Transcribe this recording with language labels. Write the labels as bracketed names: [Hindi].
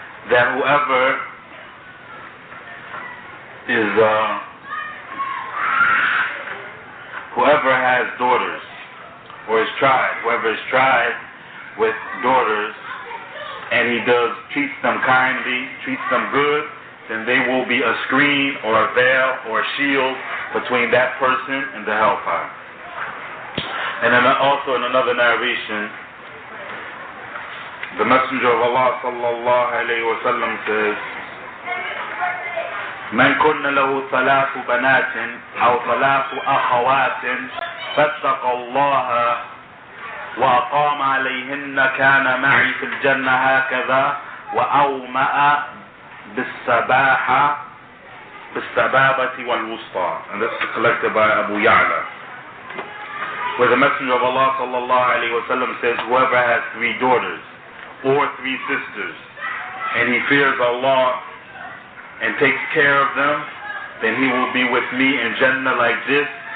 [English] That whoever is whoever has daughters or is tried, whoever is tried with daughters and he does treats them kindly, treats them good, then they will be a screen or a veil or a shield between that person and the hellfire. And then also in another narration, the Messenger of Allah sallallahu alayhi wa sallam says, [Arabic] من كن له ثلاث بنات أو ثلاث أخوات فاتق الله وأقام عليهن كان معي في الجنة هكذا وأومأ بالسباحة بالسبابة والوسطى. [English] And this is collected by Abu Ya'la. Where the Messenger of Allah sallallahu alayhi wa sallam says, whoever has three daughters or three sisters and he fears Allah and takes care of them, then he will be with me in Jannah like this.